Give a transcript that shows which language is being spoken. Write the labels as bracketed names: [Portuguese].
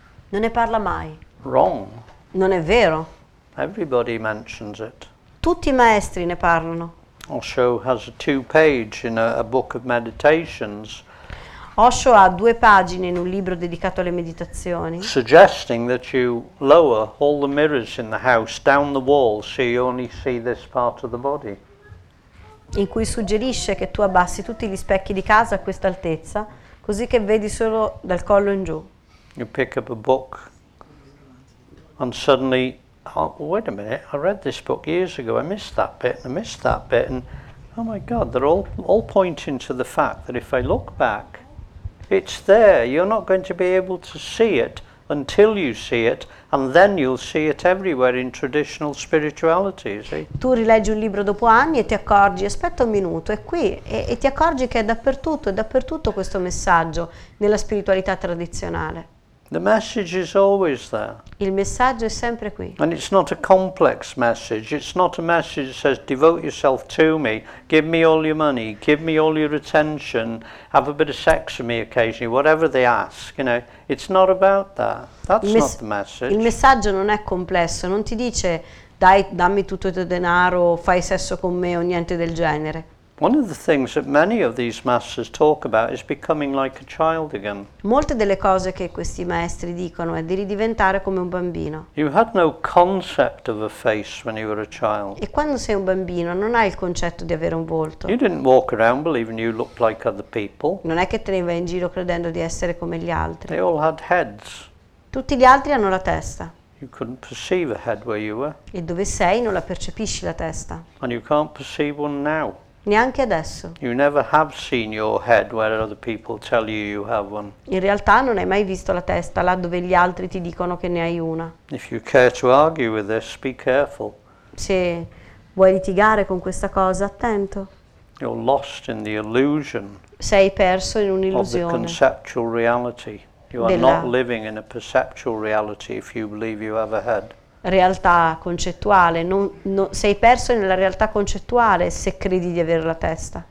[Italian] Non ne parla mai. [English] Wrong. [Italian] Non è vero. [English] Everybody mentions it. [Italian] Tutti i maestri ne parlano. [English] Osho has a 2-page in a book of meditations. [Italian] Osho ha 2 pagine in un libro dedicato alle meditazioni. [English] Suggesting that you lower all the mirrors in the house down the wall so you only see this part of the body. [Italian] In cui suggerisce che tu abbassi tutti gli specchi di casa a questa altezza, così che vedi solo dal collo in giù. [English] You pick up a book and suddenly, wait a minute, I read this book years ago, I missed that bit, and oh my God, they're all pointing to the fact that if I look back, it's there. You're not going to be able to see it until you see it, and then you'll see it everywhere in traditional spirituality, see? [Italian] Tu rileggi un libro dopo anni e ti accorgi, aspetta un minuto, è qui, e ti accorgi che è dappertutto questo messaggio nella spiritualità tradizionale. [English] The message is always there. [Italian] Il messaggio è sempre qui. [English] And it's not a complex message. It's not a message that says, devote yourself to me, give me all your money, give me all your attention, have a bit of sex with me occasionally, whatever they ask. You know, it's not about that. That's not the message. [Italian] Il messaggio non è complesso. Non ti dice, dai, dammi tutto il tuo denaro, fai sesso con me o niente del genere. [English] One of the things that many of these masters talk about is becoming like a child again. [Italian] Molte delle cose che questi maestri dicono è di ridiventare come un bambino. [English] You had no concept of a face when you were a child. [Italian] E quando sei un bambino non hai il concetto di avere un volto. [English] You didn't walk around believing you looked like other people. [Italian] Non è che te ne vai in giro credendo di essere come gli altri. [English] They all had heads. [Italian] Tutti gli altri hanno la testa. [English] You couldn't perceive a head where you were. [Italian] E dove sei non la percepisci la testa. [English] And you can't perceive one now. [Italian] Neanche adesso. [English] You never have seen your head where other people tell you you have one. [Italian] In realtà non hai mai visto la testa là dove gli altri ti dicono che ne hai una. [English] If you care to argue with this, be careful. [Italian] Se vuoi litigare con questa cosa, attento. [English] You're lost in the illusion. [Italian] Sei perso in un'illusione. [English] Of the conceptual reality. You are not living in a perceptual reality if you believe you have a head. [Italian] Realtà concettuale, non sei perso nella realtà concettuale se credi di avere la testa.